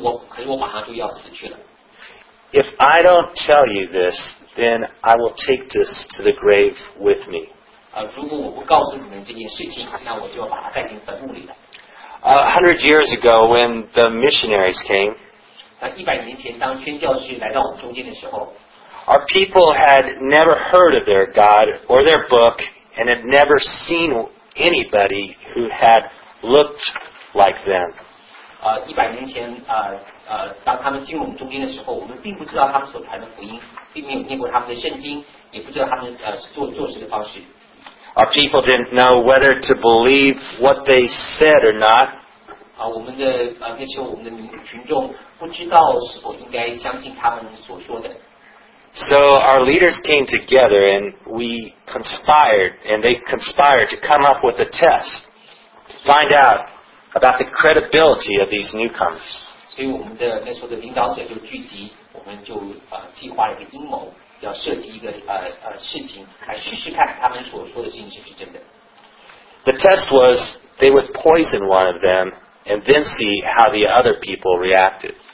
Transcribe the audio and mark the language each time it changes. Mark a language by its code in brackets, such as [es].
[zh] 有一件事情是只有我知道的，可是我马上就要死去了。 [en] If I don't tell you this, then I will take this to the grave with me. [zh] 如果我不告诉你们这件事情，那我就要把它带进坟墓里了。 [en] 100 years ago, when the missionaries came, [zh] 100年前当宣教士来到我们中间的时候, [en] our people had never heard of their God or their book and had never seen anybody who had looked like them. [zh] 100年前当他们进入我们中间的时候，我们并不知道他们所传的福音，并没有念过他们的圣经，也不知道他们做事的方式。 [en] Our people didn't know whether to believe what they said or not. [zh] 我们的那些我们的群众不知道是否应该相信他们所说的。 [en] So our leaders came together and we conspired, and they conspired to come up with a test to find out about the credibility of these newcomers. [zh] 所以我们的那时候的领导者就聚集，我们就计划了一个阴谋，要设计一个事情，来试试看他们所说的事情是不是真的。 [en] The test was they would poison one of them and then see how the other people reacted.